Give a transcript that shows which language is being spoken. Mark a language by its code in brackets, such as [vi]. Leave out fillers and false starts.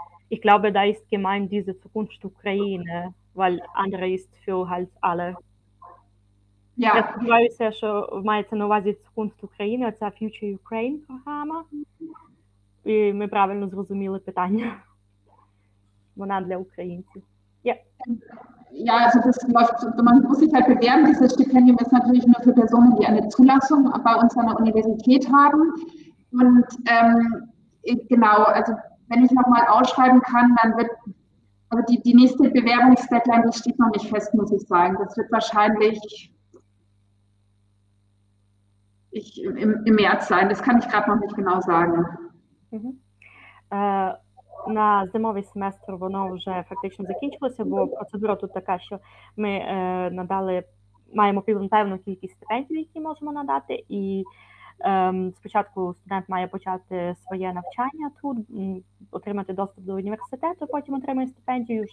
[de] Ich glaube, da ist gemeint diese Zukunft Ukraine, weil andere ist für halt alle. Ja. Das war ja schon mal jetzt eine quasi Zukunft Ukraine, also Future Ukraine Programm. Wie wir [uk] правильно зрозуміли питання. Вона для українців. [de] Ja. Ja, also das läuft, man muss sich halt bewerben. Dieses Stipendium ist natürlich nur für Personen, die eine Zulassung bei uns an der Universität haben. Und genau, also wenn ich nochmal ausschreiben kann, dann wird, also die nächste Bewerbungsdeadline, die steht noch nicht fest, muss ich sagen. Das wird wahrscheinlich im März sein. Das kann ich gerade noch nicht genau sagen. [uk] На зимовий семестр воно вже фактично закінчилося, бо процедура тут така, що ми надали, маємо певну кількість стипендій, які можемо надати, і спочатку студент має почати своє навчання тут, отримати доступ до університету, потім отримає стипендію.